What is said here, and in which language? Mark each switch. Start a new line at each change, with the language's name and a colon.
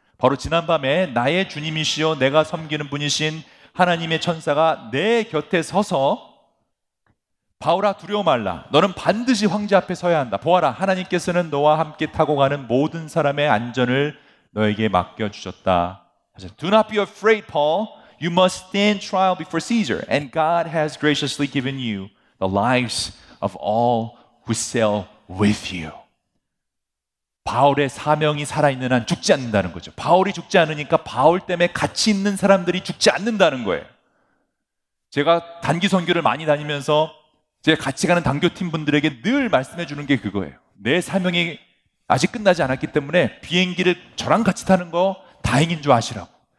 Korean: 바로 지난밤에 나의 주님이시요 내가 섬기는 분이신 하나님의 천사가 내 곁에 서서 바울아 두려워 말라. 너는 반드시 황제 앞에 서야 한다. 보아라 하나님께서는 너와 함께 타고 가는 모든 사람의 안전을 너에게 맡겨주셨다.
English: Do not be afraid, Paul. You must stand trial before Caesar. And God has graciously given you the lives of all who sail with you.
Korean: 바울의 사명이 살아있는 한 죽지 않는다는 거죠. 바울이 죽지 않으니까 바울 때문에 같이 있는 사람들이 죽지 않는다는 거예요. 제가 단기 선교를 많이 다니면서 제가 같이 가는 단교팀 분들에게 늘 말씀해 주는 게 그거예요. 내 사명이 아직 끝나지 않았기 때문에 비행기를 저랑 같이 타는 거 다행인 줄 아시라고.